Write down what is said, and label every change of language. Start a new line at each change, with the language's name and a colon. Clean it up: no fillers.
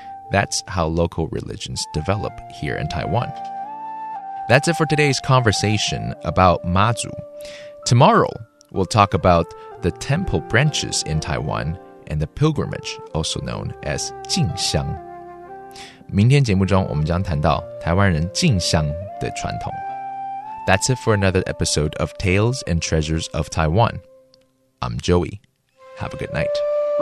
English: That's how local religions develop here in Taiwan. That's it for today's conversation about Matsu. Tomorrow, we'll talk about the temple branches in Taiwan and the pilgrimage, also known as 进香.
Chinese: 明天节目中我们将谈到台湾人进香的传统。
English: That's it for another episode of Tales and Treasures of Taiwan. I'm Joey. Have a good night.